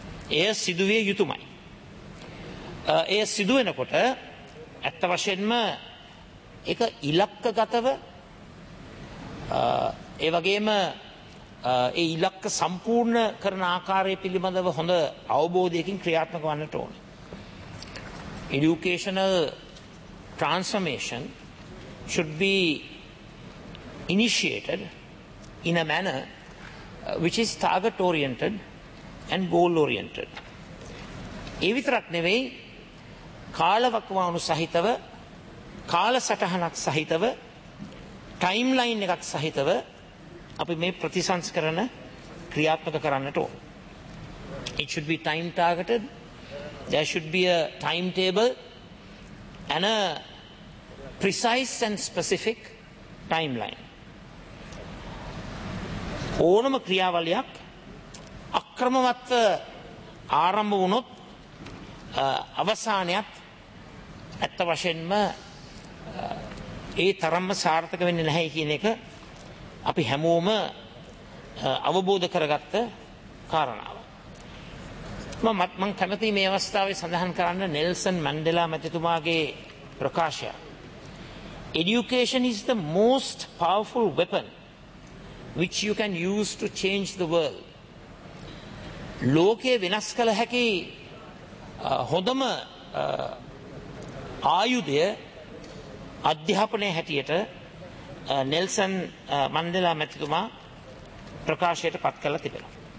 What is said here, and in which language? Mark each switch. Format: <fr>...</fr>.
<si>එය සිදුවේ යුතුමයි. එය සිදුවෙනකොට ඇත්ත වශයෙන්ම ඒක ඉලක්කගතව ඒ වගේම ඒ ඉලක්ක සම්පූර්ණ කරන ආකාරය පිළිබඳව හොඳ අවබෝධයකින් ක්‍රියාත්මක වන්නට ඕන.</si> <en>educational transformation should be initiated in a manner which is target oriented and goal oriented.</en> <si>ඒ විතරක් නෙවෙයි, කාලවකවානු සහිතව, කාල සටහනක් සහිතව, ටයිම් ලයින් එකක් සහිතව අපි මේ ප්‍රතිසංස්කරණ ක්‍රියාත්මක කරන්නට ඕන.</si> <en>It should be time targeted. There should be a timetable and a precise and specific timeline.</en> <si>ඕනම ක්‍රියාවලියක් අක්‍රමවත් ආරම්භ වුණොත් අවසානයත් ඇත්ත වශයෙන්ම ඒ තරම්ම සාර්ථක වෙන්නේ නැහැ කියන එක අපි හැමෝම අවබෝධ කරගත්ත කාරණාව. මම කැමති මේ අවස්ථාවේ සඳහන් කරන්න නෙල්සන් මැන්ඩෙලා මැතිතුමාගේ ප්‍රකාශය.</si> <en>Education is the most powerful weapon which you can use to change the world.</en> <si>ලෝකය වෙනස් කළ හැකි හොඳම ආයුධය අධ්‍යාපනය හැටියට නෙල්සන් මැන්ඩෙලා මැතිතුමා ප්‍රකාශයට පත් කළා තිබෙනවා.</si>